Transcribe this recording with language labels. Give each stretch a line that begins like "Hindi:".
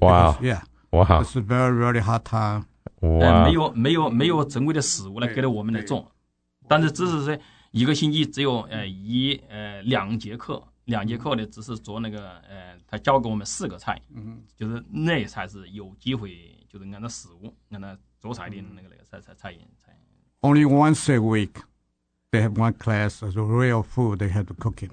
English: Wow. Because, yeah. Wow. It's a very, very hard time.
Chinese: 没有珍贵的食物来给了我们来做，但是只是说一个星期只有两节课的，只是做那个他教给我们四个菜，就是那才是有机会，就是按照食物按照做菜的那个菜。
English: Only once a week, they have one class of real food they have to cook it.